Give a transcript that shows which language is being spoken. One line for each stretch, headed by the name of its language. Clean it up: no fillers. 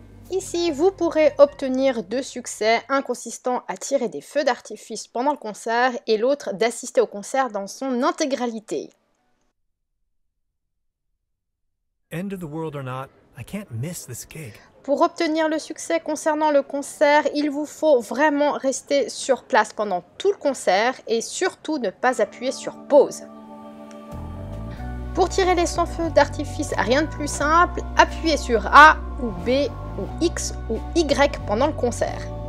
French: Ici, vous pourrez obtenir deux succès, un consistant à tirer des feux d'artifice pendant le concert et l'autre d'assister au concert dans son intégralité.
English: End of the world or not, I can't miss this gig.
French: Pour obtenir le succès concernant le concert, il vous faut vraiment rester sur place pendant tout le concert et surtout ne pas appuyer sur pause. Pour tirer les 100 feux d'artifice, rien de plus simple, appuyez sur A ou B ou X ou Y pendant le concert.